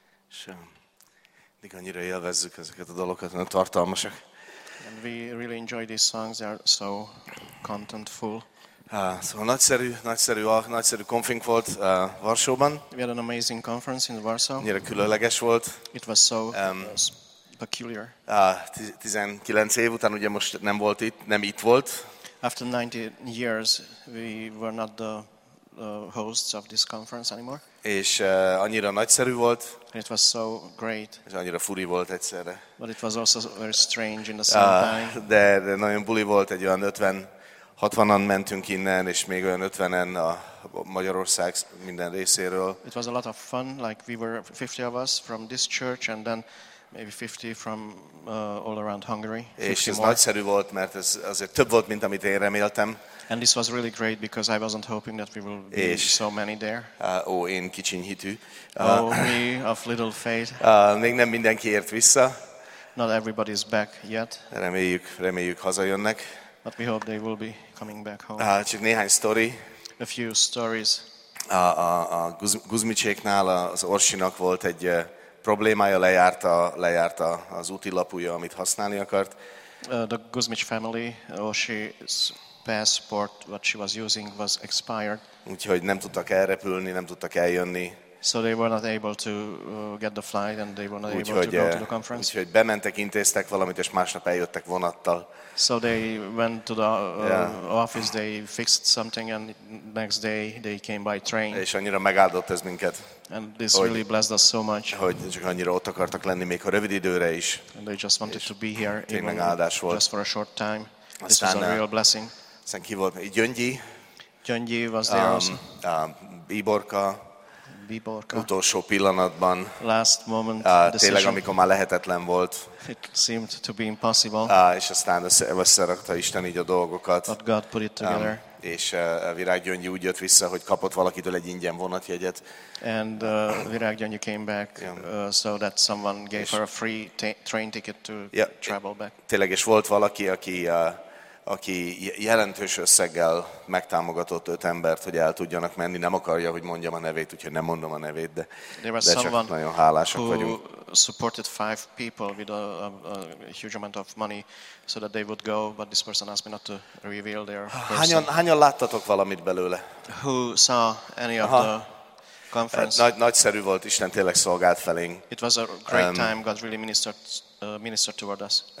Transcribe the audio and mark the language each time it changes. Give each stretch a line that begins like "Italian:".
Hungarian: És mindig annyira élvezzük ezeket a dalokat, nagyon tartalmasak.
English: And we really enjoy these songs, they are so contentful.
Hungarian: Szóval nagyszerű konfink volt Varsóban.
English: We had an amazing conference in Warsaw.
Hungarian: Annyira különleges volt.
English: It was so peculiar.
Hungarian: 19 év után ugye most nem itt volt.
English: After 19 years, we were not the hosts of this conference anymore.
Hungarian: És annyira nagyszerű volt.
English: It was so great.
Hungarian: És annyira furi volt egyszerre.
English: But it was also very strange in the same time.
Hungarian: De nagyon buli volt, egy olyan 50-60-an mentünk innen, és még olyan 50-en a Magyarország minden részéről.
English: It was a lot of fun, like we were 50 of us from this church, and then maybe 50 from all around Hungary.
Hungarian: És ez nagyszerű volt, mert ez azért több volt, mint amit én reméltem.
English: And this was really great because I wasn't hoping that we will be so many there.
Hungarian: Én kicsiny hitű.
English: Me of little faith.
Hungarian: Még nem mindenki ért vissza.
English: Not everybody is back yet.
Hungarian: Reméljük hazajönnek.
English: But we hope they will be coming back home.
Hungarian: Csak néhány story.
English: A few stories.
Hungarian: A Guzmicséknál az Orsinak volt egy problémája, lejárta az úti lapúja, amit használni akart.
English: The Guzmics family, Orsi's passport, what she was using, was expired.
Hungarian: Úgyhogy nem tudtak elrepülni, nem tudtak eljönni.
English: So they were not able to get the flight, and they were not able to go to the conference.
Hungarian: Úgyhogy bementek, intéztek valamit, és másnap eljöttek vonattal.
English: So they went to the office, they fixed something, and next day they came by train.
Hungarian: És annyira megáldott ez minket.
English: And this really blessed us so much.
Hungarian: Hogy csak annyira ott akartak lenni, még a rövid időre is.
English: And they just wanted to be here,
Hungarian: even áldás volt.
English: Just for a short time. This was a real blessing.
Hungarian: Aztán ki volt? Gyöngyi.
English: Gyöngyi was there also.
Hungarian: Bíborka.
English: Bíborka.
Hungarian: Utolsó pillanatban.
English: Last moment decision.
Hungarian: Tényleg, amikor már lehetetlen volt.
English: It seemed to be impossible.
Hungarian: És aztán összerakta Isten így a dolgokat.
English: But God put it together.
Hungarian: És Virág Gyöngyi úgy jött vissza, hogy kapott valakitől egy ingyen vonatjegyet.
English: And Virág Gyöngyi came back so that someone gave her a free train ticket to travel back.
Hungarian: Tényleg, és volt valaki, aki jelentős összeggel megtámogatott 5 embert, hogy el tudjanak menni. Nem akarja, hogy mondjam a nevét, úgyhogy nem mondom a nevét, de csak nagyon hálásak vagyunk.
English: There was someone who supported 5 people with a huge amount of money so that they would go, but this person asked me not to reveal their person.
Hungarian: Hányan láttatok valamit belőle?
English: Who saw any of the conference?
Hungarian: Nagyszerű volt, Isten tényleg szolgált felénk.
English: It was a great time, God really ministered toward us.